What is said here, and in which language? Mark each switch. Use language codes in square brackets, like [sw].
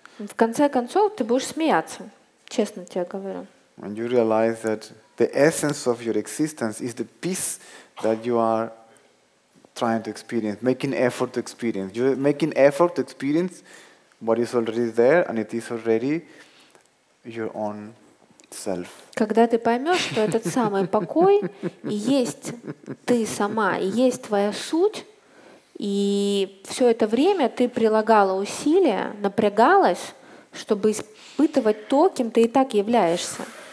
[ru] В конце концов ты будешь смеяться, честно тебе говорю. [en] When you realize that the essence of your existence is the peace that you are trying to experience, making effort to experience. You're making effort to experience what is already there, and it is already your own self. [ru] Когда ты поймешь, что этот самый покой есть ты сама, есть твоя суть. И все это время ты прилагала усилия, напрягалась, чтобы испытывать то, кем ты и так являешься.